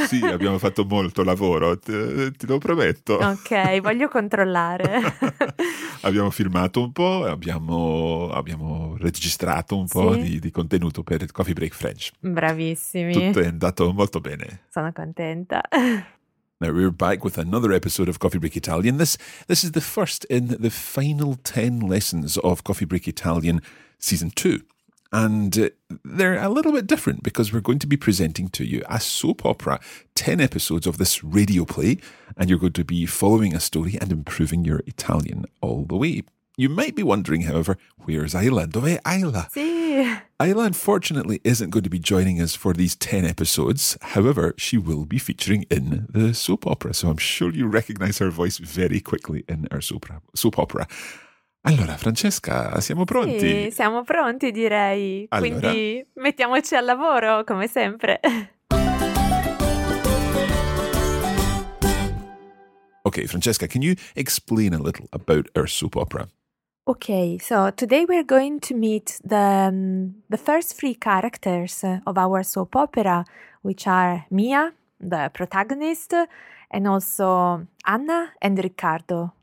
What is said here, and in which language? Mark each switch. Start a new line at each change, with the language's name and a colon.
Italian: Sì, abbiamo fatto molto lavoro, ti lo prometto. Ok, voglio controllare. Abbiamo filmato un po', abbiamo registrato un po', sì? di contenuto per Coffee Break French. Bravissimi. Tutto è andato molto bene. Sono contenta.
English: Now we're back with another episode of Coffee Break Italian. This is the first in the final 10 lessons of Coffee Break Italian Season 2. And they're a little bit different because we're going to be presenting to you a soap opera, 10 episodes of this radio play, and you're going to be following a story and improving your Italian all the way. You might be wondering, however, where's Ayla?
Italian: Dove è Ayla? Sì.
English: Ayla, unfortunately, isn't going to be joining us for these 10 episodes. However, she will be featuring in the soap opera. So I'm sure you recognize her voice very quickly in our soap opera.
Italian: Allora, Francesca, siamo pronti? Sì, siamo pronti, direi. Allora, quindi mettiamoci al lavoro, come sempre.
English: Okay, Francesca, can you explain a little about our soap opera? Okay, so today we're going to meet the first three characters of our soap opera, which are Mia, the protagonist, and also Anna and Riccardo.